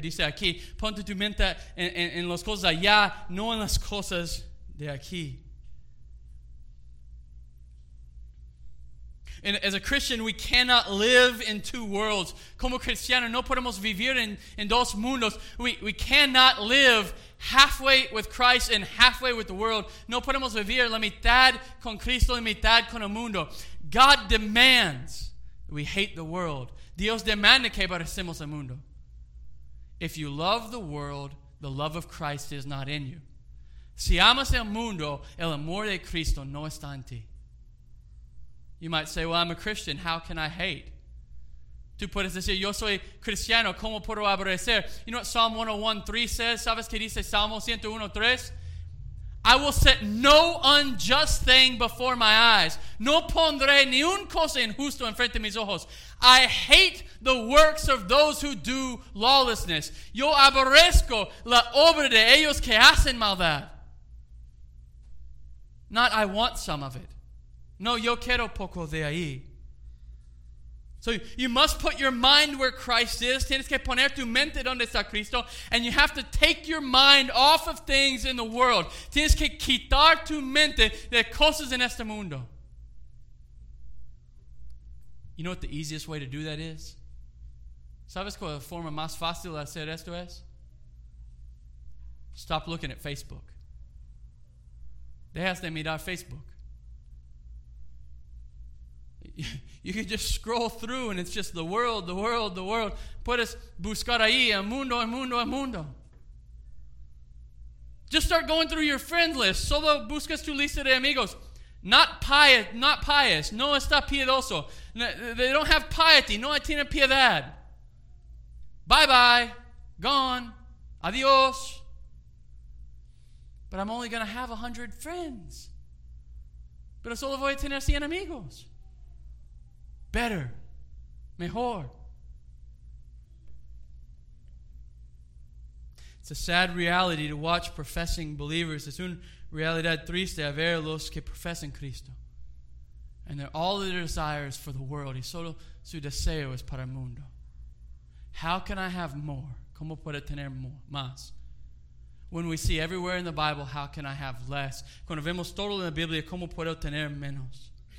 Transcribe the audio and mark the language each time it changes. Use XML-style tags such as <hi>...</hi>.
<es>Dice aquí, ponte tu mente en las cosas allá, no en las cosas de aquí.</es> <en>And as a Christian, we cannot live in 2 worlds.</en> <es>Como cristiano, no podemos vivir en 2 mundos.</es> <en>We cannot live halfway with Christ and halfway with the world.</en> <es>No podemos vivir la mitad con Cristo y mitad con el mundo.</es> <en>God demands we hate the world.</en> <es>Dios demanda que aborrecemos el mundo.</es> <en>If you love the world, the love of Christ is not in you.</en> <es>Si amas el mundo, el amor de Cristo no está en ti.</es> <en>You might say, well, I'm a Christian. How can I hate?</en> <es>Tú puedes decir, yo soy cristiano. ¿Cómo puedo aborrecer?</es> <en>You know what Psalm 101:3 says?</en> <es>¿Sabes qué dice Salmo 101:3?</es> <en>I will set no unjust thing before my eyes.</en> <es>No pondré ni un cosa injusto enfrente de mis ojos.</es> <en>I hate the works of those who do lawlessness.</en> <es>Yo aborrezco la obra de ellos que hacen maldad.</es> <en>Not I want some of it.</en> <es>No, yo quiero poco de ahí.</es> <en>So you must put your mind where Christ is.</en> <es>Tienes que poner tu mente donde está Cristo.</es> <en>And you have to take your mind off of things in the world.</en> <es>Tienes que quitar tu mente de cosas en este mundo.</es> <en>You know what the easiest way to do that is?</en> <es>¿Sabes cuál es la forma más fácil de hacer esto es?</es> <en>Stop looking at Facebook.</en> <es>Dejas de mirar Facebook.</es> <en>You can just scroll through and it's just the world, the world, the world.</en> <es>Puedes buscar ahí, el mundo, el mundo, el mundo.</es> <en>Just start going through your friend list.</en> <es>Solo buscas tu lista de amigos.</es> <en>Not pious.</en> <es>No está piedoso.</es> <en>They don't have piety.</en> <es>No tiene piedad.</es> <en>Bye-bye. Gone.</en> <es>Adios.</es> <en>But I'm only going to have 100 friends.</en> <es>Pero solo voy a tener 100 amigos.</es> <en>Better.</en> <es>Mejor.</es> <en>It's a sad reality to watch professing believers.</en> <es>Es una realidad triste a ver los que profesan Cristo.</es> <en>And they're all their desires for the world.</en> <es>Y solo su deseo es para el mundo. How can I have more? ¿Cómo puedo tener more, más?</es> <en>When we see everywhere in the Bible, how can I have less?</en> <es>Cuando vemos todo en la Biblia, ¿cómo puedo tener menos?</es>